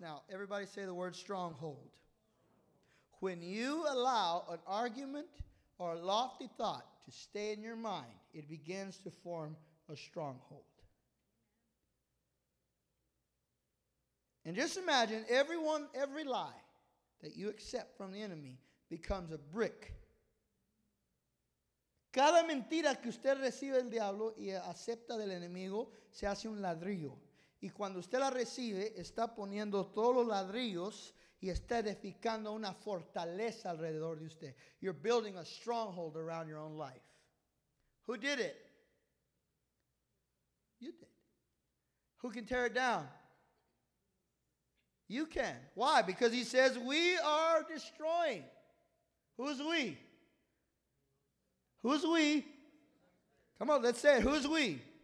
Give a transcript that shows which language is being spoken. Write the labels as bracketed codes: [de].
[en] Now, everybody say the word stronghold. When you allow an argument or a lofty thought to stay in your mind, it begins to form a stronghold. And just imagine every lie that you accept from the enemy becomes a brick. [es] Cada mentira que usted recibe del diablo y acepta del enemigo se hace un ladrillo. Y cuando usted la recibe, está poniendo todos los ladrillos y está edificando una fortaleza alrededor de usted. [en] You're building a stronghold around your own life. Who did it? You did. Who can tear it down? You can. Why? Because he says we are destroying. Who's we? Who's we? Come on, let's say it. Who's we?